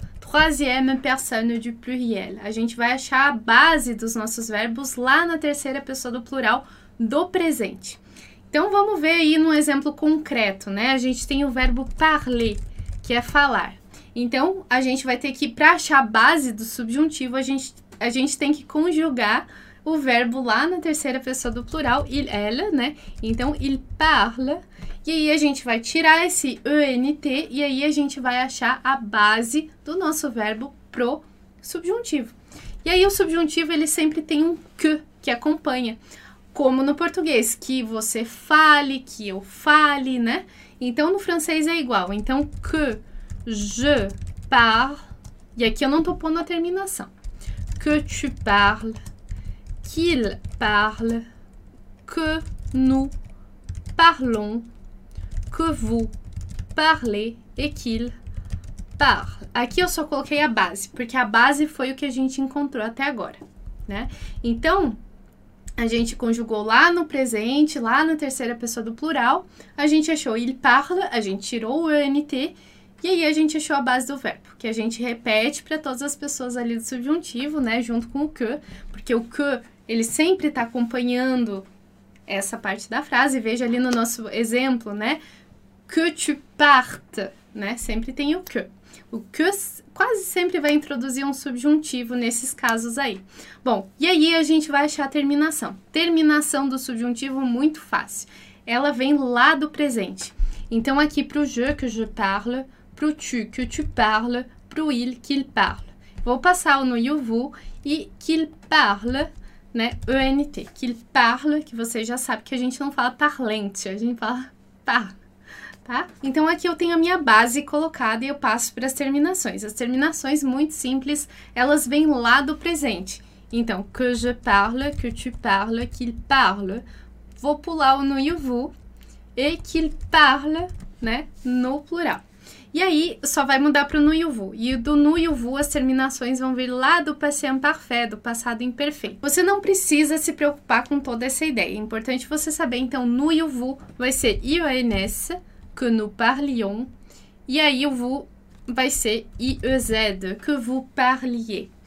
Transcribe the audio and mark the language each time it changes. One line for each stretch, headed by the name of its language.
French: Troisième personne du pluriel.
Portuguese: A gente vai achar a base dos nossos verbos lá na terceira pessoa do plural do presente. Então, vamos ver aí num exemplo concreto, né? A gente tem o verbo parler, que é falar. Então, a gente vai ter que, para achar a base do subjuntivo, a gente tem que conjugar o verbo lá na terceira pessoa do plural, il, ela, né? Então,
French: il parle.
Portuguese: E aí, a gente vai tirar esse ent, e aí a gente vai achar a base do nosso verbo pro subjuntivo. E aí, o subjuntivo, ele sempre tem um que acompanha. Como no português, que você fale, que eu fale, né? Então, no francês é igual. Então,
French: que, je, parle.
Portuguese: E aqui eu não tô pondo a terminação.
French: Que tu parle, qu'il parle, que nous parlons, que vous parlez et qu'il parle.
Portuguese: Aqui eu só coloquei a base, porque a base foi o que a gente encontrou até agora, né? Então, a gente conjugou lá no presente, lá na terceira pessoa do plural, a gente achou il parle, a gente tirou o ent, e aí a gente achou a base do verbo, que a gente repete para todas as pessoas ali do subjuntivo, né, junto com o que, porque o que, ele sempre está acompanhando essa parte da frase. Veja ali no nosso exemplo, né, que tu partes, né, sempre tem o que. O que quase sempre vai introduzir um subjuntivo nesses casos aí. Bom, e aí a gente vai achar a terminação. Terminação do subjuntivo, muito fácil. Ela vem lá do presente. Então, aqui pro je
French: que je parle,
Portuguese: pro tu que
French: tu parle,
Portuguese: pro il
French: qu'il parle.
Portuguese: Vou passar o no you, vous e
French: qu'il parle,
Portuguese: né, ent.
French: Qu'il parle,
Portuguese: que você já sabe que a gente não fala parlente, a gente fala parle. Tá? Então, aqui eu tenho a minha base colocada e eu passo para as terminações. As terminações, muito simples, elas vêm lá do presente. Então,
French: que je parle, que tu parle, qu'il parle,
Portuguese: vou pular o no e o vous,
French: et qu'il parle,
Portuguese: né, no plural. E aí, só vai mudar para o no e o vous. E do no e o vous, as terminações vão vir lá do passé imparfait, do passado imperfeito. Você não precisa se preocupar com toda essa ideia. É importante você saber, então, no e o vous vai ser ions,
French: que nous parlions,
Portuguese: e aí o vous vai ser IEZ,
French: que vous parliez.